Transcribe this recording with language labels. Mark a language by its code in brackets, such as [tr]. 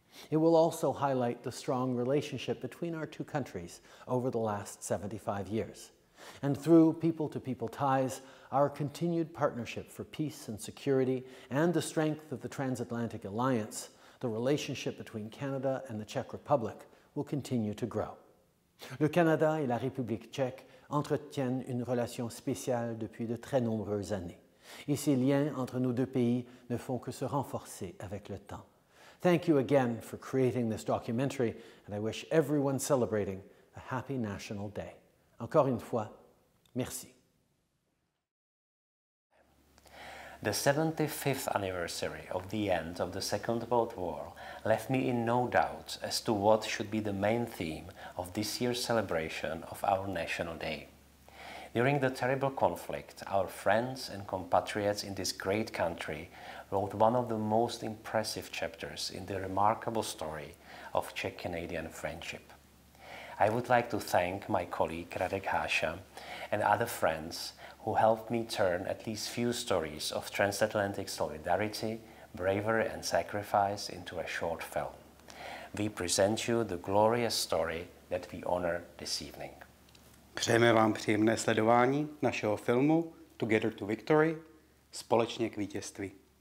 [en] It will also highlight the strong relationship between our two countries over the last 75 years. And through people-to-people ties, our continued partnership for peace and security, and the strength of the Transatlantic Alliance, the relationship between Canada and the Czech Republic will continue to grow. [fr] Le Canada et la République tchèque entretiennent une relation spéciale depuis de très nombreuses années. Et ces liens entre nos deux pays ne font que se renforcer avec le temps. [en] Thank you again for creating this documentary, and I wish everyone celebrating a happy National Day. [fr] Encore une fois, merci. [en] The 75th anniversary of the end of the Second World War left me in no doubt as to what should be the main theme of this year's celebration of our National Day. During the terrible conflict, our friends and compatriots in this great country wrote one of the most impressive chapters in the remarkable story of Czech-Canadian friendship. I would like to thank my colleague Radek Hasha and other friends who helped me turn at least few stories of transatlantic solidarity, bravery and sacrifice into a short film. We present you the glorious story that we honor this evening. [cs] Přejeme vám příjemné sledování našeho filmu Together to Victory, Společně k vítězství.